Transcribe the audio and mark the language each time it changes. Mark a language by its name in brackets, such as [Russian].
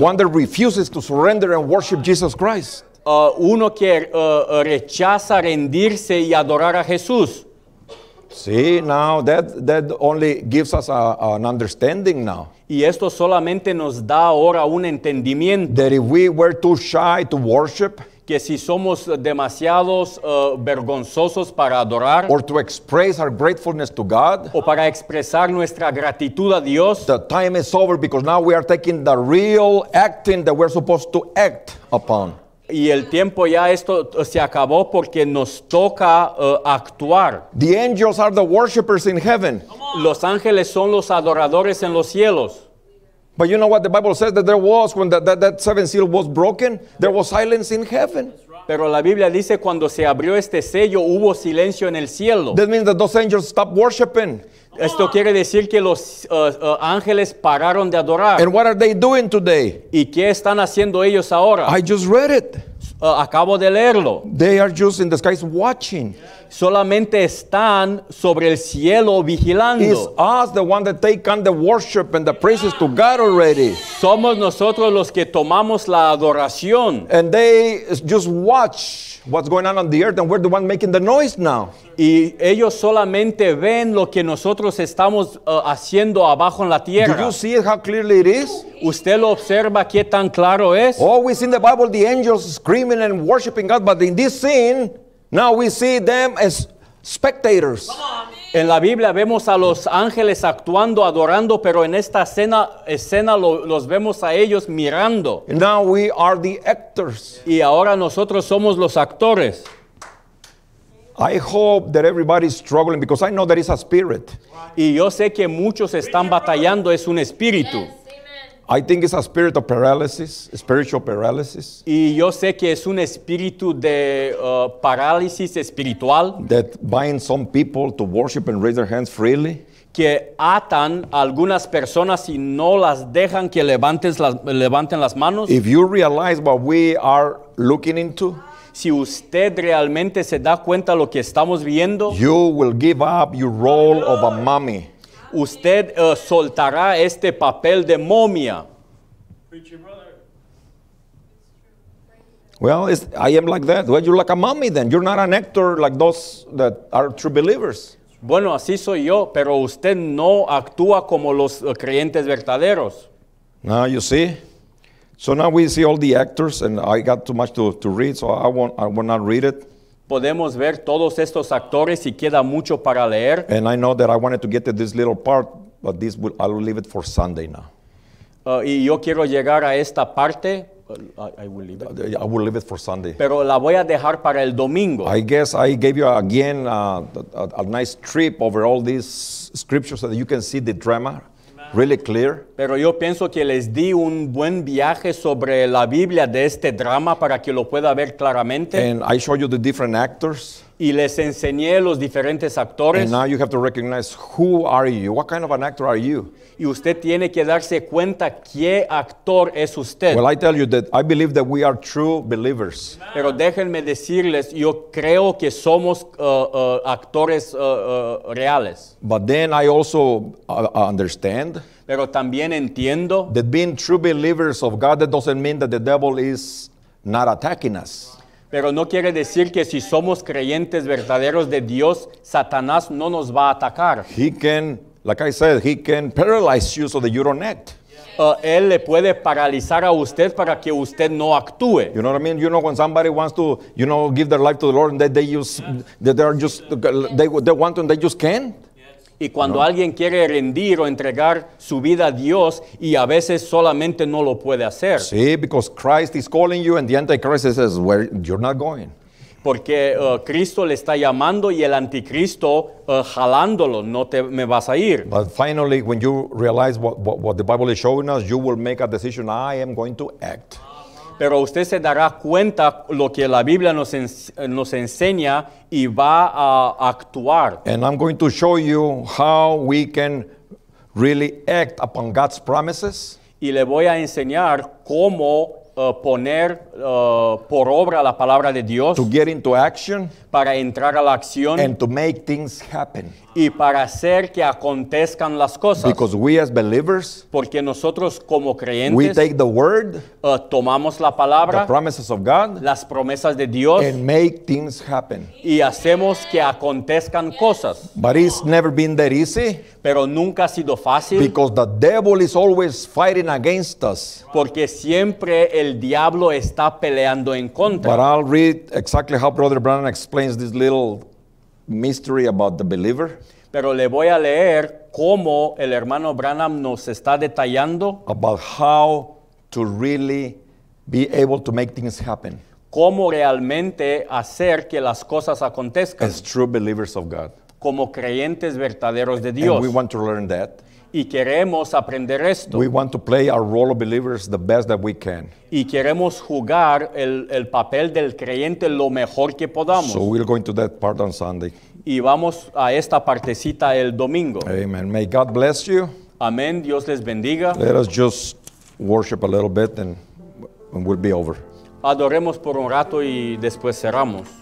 [English] One that refuses to surrender and worship Jesus Christ. [Spanish] Uno que rechaza rendirse y adorar a Jesús. [English] See, now that only gives us an understanding now. [Spanish] Y esto solamente nos da ahora un entendimiento. [English] That if we were too shy to worship. [Spanish] Que si somos demasiados vergonzosos para adorar. [English] Or to express our gratefulness to God. [Spanish] O para expresar nuestra gratitud a Dios. [English] The time is over because now we are taking the real acting that we're supposed to act upon. [Spanish] Y el tiempo ya esto se acabó porque nos toca actuar. [English] The angels are the worshipers in heaven. [Spanish] Los ángeles son los adoradores en los cielos. [English] But you know what the Bible says that there was when that seventh seal was broken, there was silence in heaven. [Spanish] Pero la Biblia dice cuando se abrió este sello hubo silencio en el cielo. [English] That means that those angels stopped worshiping. [Spanish] Esto quiere decir que los ángeles pararon de adorar. [English] And what are they doing today? [Spanish] ¿Y qué están haciendo ellos ahora? [English] I just read it. [Spanish] Acabo de leerlo. [English] They are just in the skies watching. [Spanish] Solamente están sobre el cielo vigilando. [English] It's us the one that take on the worship and the praises to God already. [Spanish] Somos nosotros los que tomamos la adoración. [English] And they just watch what's going on the earth and we're the one making the noise now. [Spanish] Y ellos solamente ven lo que nosotros estamos haciendo abajo en la tierra. [English] Do you see how clearly it is? [Spanish] ¿Usted lo observa qué tan claro es? [English] Oh, we see in the Bible the angels screaming and worshiping God, but in this scene, now we see them as spectators. [Spanish] En la Biblia vemos a los ángeles actuando, adorando, pero en esta escena los vemos a ellos mirando. [English] Now we are the actors. [Spanish] Y ahora nosotros somos los actores. [English] I hope that everybody's struggling because I know that it's a spirit. [Spanish] Y yo sé que muchos están batallando, es un espíritu. [English] I think it's a spirit of paralysis, spiritual paralysis. [Spanish] Y yo sé que es un espíritu de parálisis espiritual. [English] That binds some people to worship and raise their hands freely. [Spanish] Que atan algunas personas y no las dejan que levanten las manos. [English] If you realize what we are looking into. [Spanish] Si usted realmente se da cuenta lo que estamos viendo. [English] You will give up your role of a mommy. [Spanish] Usted soltará este papel de momia. [English] Well, I am like that. Well, you're like a mommy then. You're not an actor like those that are true believers. [Spanish] Bueno, así soy yo, pero usted no actúa como los creyentes verdaderos. [English] Now you see. So now we see all the actors, and I got too much to read, so I will not read it. [Spanish] Podemos ver todos estos actores y queda mucho para leer. [English] And I know that I wanted to get to this little part, but I will leave it for Sunday now. [Spanish] Y yo quiero llegar a esta parte. [English] I will leave it for Sunday. [Spanish] Pero la voy a dejar para el domingo. [English] I guess I gave you again a nice trip over all these scriptures so that you can see the drama. Really clear. [Spanish] Pero yo pienso que les di un buen viaje sobre la Biblia de este drama para que lo pueda ver claramente. [English] And I show you the different actors. [Spanish] Y les enseñé los diferentes actores. [English] And now you have to recognize who are you? What kind of an actor are you? [Spanish] Y usted tiene que darse cuenta qué actor es usted. [English] Well, I tell you that I believe that we are true believers. [Spanish] Pero déjenme decirles, yo creo que somos actores reales. [English] But then I also understand. [Spanish] Pero también entiendo. [English] That being true believers of God, that doesn't mean that the devil is not attacking us. [Spanish] Pero no quiere decir que si somos creyentes verdaderos de Dios, Satanás no nos va a atacar. [English] He can, like I said, he can paralyze you so that you don't act. [Spanish] Él le puede paralizar a usted para que usted no actúe. [English] You know what I mean? You know when somebody wants to, you know, give their life to the Lord and they just, they want to and they just can't? [Spanish] Y cuando alguien quiere rendir o entregar su vida a Dios y a veces solamente no lo puede hacer. [English] Sí, because Christ is calling you and the Antichrist says, well, you're not going. [Spanish] Porque Cristo le está llamando y el anticristo jalándolo, no te me vas a ir. [English] But finally, when you realize what the Bible is showing us, you will make a decision, I am going to act. [Spanish] Pero usted se dará cuenta lo que la Biblia nos enseña y va a actuar. [English] And I'm going to show you how we can really act upon God's promises. [Spanish] Y le voy a enseñar cómo poner por obra la palabra de Dios. [English] To get into action. [Spanish] Para entrar a la acción. [English] And to make things happen. [Spanish] Y para hacer que acontezcan las cosas. [English] Because we as believers. [Spanish] Porque nosotros como creyentes. [English] We take the word. [Spanish] Tomamos la palabra. [English] The promises of God. [Spanish] Las promesas de Dios. [English] And make things happen. [Spanish] Y hacemos que acontezcan cosas. [English] But it's never been that easy. [Spanish] Pero nunca ha sido fácil. [English] Because the devil is always fighting against us. [Spanish] Porque siempre el diablo está peleando en contra. [English] But I'll read exactly how Brother Branham explains this little mystery about the believer. [Spanish] Pero le voy a leer cómo el hermano Branham nos está detallando [English] about how to really be able to make things happen. [Spanish] Cómo realmente hacer que las cosas acontezcan. [English] As true believers of God. [Spanish] Como creyentes verdaderos de Dios. [English] And we want to learn that. [Spanish] Y queremos aprender esto. [English] We want to play our role of believers the best that we can. [Spanish] Y queremos jugar el papel del creyente lo mejor que podamos. [English] So we'll go into that part on Sunday. [Spanish] Y vamos a esta partecita el domingo. [English] Amen. May God bless you. [Spanish] Amén. Dios les bendiga. [English] Let us just worship a little bit and we'll be over. [Spanish] Adoremos por un rato y después cerramos.